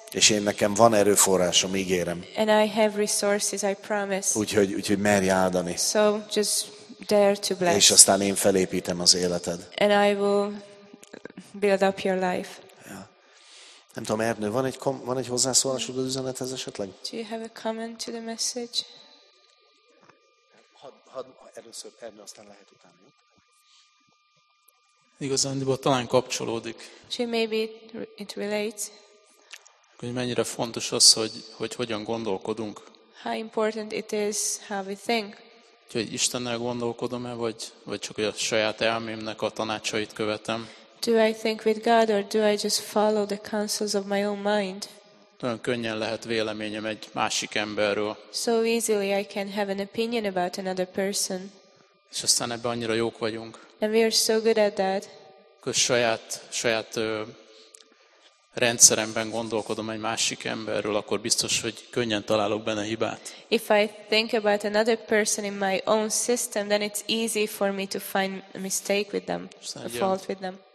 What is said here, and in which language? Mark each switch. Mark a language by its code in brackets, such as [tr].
[hu] És én nekem van erőforrásom, ígérem. [en] And I have resources, I promise. [hu] Úgyhogy merj áldani. [en] So just dare to bless. [hu] És aztán én felépítem az életed. [en] And I will build up your life. Ja. [hu] Nem tudom, Ernő, van egy hozzászólásod az üzenethez esetleg? [en] Do you have a comment to the message? [hu] Had először Ernő, aztán lehet utána. Igazándiból talán kapcsolódik. [en] She maybe it relates. [hu] Hogy mennyire fontos az, hogy hogyan gondolkodunk. [en] How important it is how we think. [hu] Hogy Istennel gondolkodom-e, vagy csak a saját elmémnek a tanácsait követem. [en] Do I think with God or do I just follow the counsels of my own mind? [hu] Nagyon könnyen lehet véleményem egy másik emberről. [en] So easily I can have an opinion about another person. [hu] És aztán ebben annyira jók vagyunk. [en] And we are so good at that. [hu] Akkor saját rendszeremben gondolkodom egy másik emberről, akkor biztos, hogy könnyen találok benne hibát. [en] If I think about another person in my own system, then it's easy for me to find a mistake with them, a fault with them.